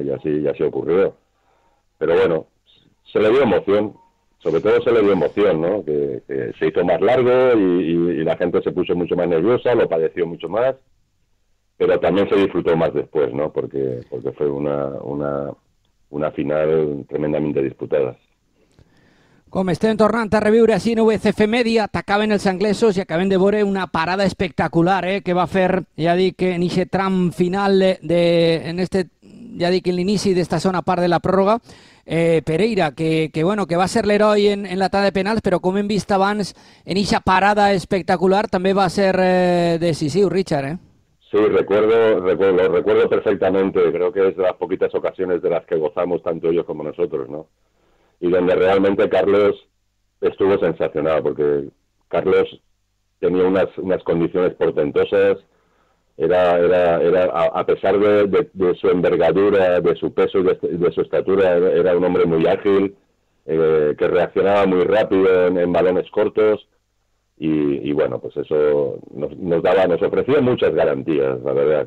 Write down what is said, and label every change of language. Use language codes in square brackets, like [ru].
[es] Y así ocurrió. Pero bueno, se le dio emoción. Sobre todo se le dio emoción, ¿no? Que se hizo más largo y la gente se puso mucho más nerviosa, lo padeció mucho más, pero también se disfrutó más después, ¿no? Porque fue una final tremendamente disputada. [ca] Com estem tornant a reviure així en UFF Media, t'acaben els anglesos i acabem de veure una parada espectacular que va fer, ja dic, en aquest tram final, en l'inici d'aquesta zona part de la pròrroga, Pereira, que bueno, que va ser l'heroi en la tanda de penals, però com hem vist abans, en aquesta parada espectacular també va ser decisiu, Richard. [es] Sí, recuerdo perfectamente, creo que es de las poquitas ocasiones de las que gozamos tanto ellos como nosotros, ¿no? Y donde realmente Carlos estuvo sensacional, porque Carlos tenía unas condiciones portentosas, era a pesar de su envergadura, de su peso, de su estatura, era un hombre muy ágil, que reaccionaba muy rápido en balones cortos, y bueno, pues eso nos ofrecía muchas garantías, la verdad.